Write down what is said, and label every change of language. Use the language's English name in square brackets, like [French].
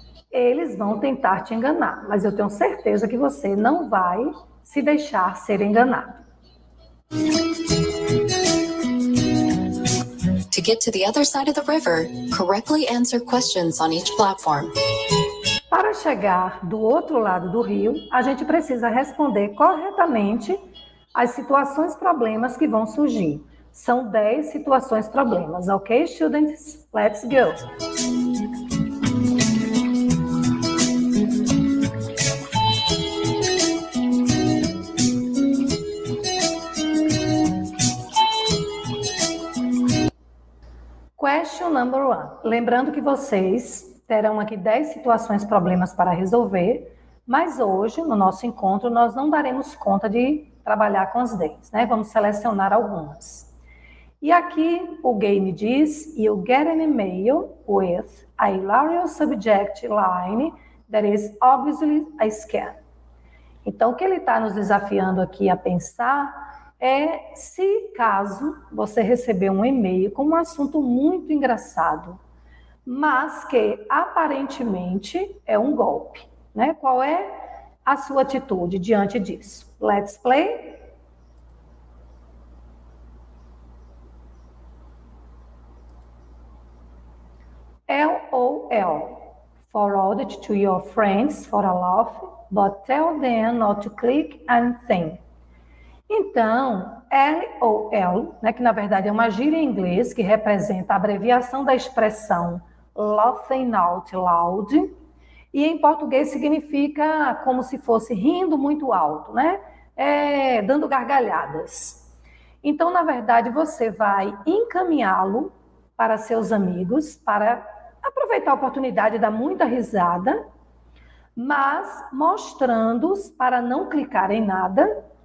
[Portuguese] Eles vão tentar te enganar, mas eu tenho certeza que você não vai se deixar ser enganado. [English] To get to the other side of the river, correctly answer questions on each platform. [Portuguese] Para chegar do outro lado do rio, a gente precisa responder corretamente as situações problemas que vão surgir. São 10 situações problemas, [English] ok, students? Let's go! Question number one. [Portuguese] Lembrando que vocês terão aqui 10 situações problemas para resolver, mas hoje, no nosso encontro, nós não daremos conta de trabalhar com as 10, né? Vamos selecionar algumas. E aqui o game diz: [English] you get an email with a hilarious subject line that is obviously a scam. [Portuguese] Então, o que ele está nos desafiando aqui a pensar é se caso você receber um e-mail com um assunto muito engraçado, mas que aparentemente é um golpe, né? Qual é a sua atitude diante disso? [English] Let's play. LOL. Forwarded to your friends for a laugh, but tell them not to click anything. [Portuguese] Então, LOL, né, que na verdade é uma gíria em inglês que representa a abreviação da expressão [English] laughing out loud, [Portuguese] e em português significa como se fosse rindo muito alto, né? É, dando gargalhadas. Então, na verdade, você vai encaminhá-lo para seus amigos para aproveitar a oportunidade e dar muita risada, mas mostrando-os para não clicar em nada.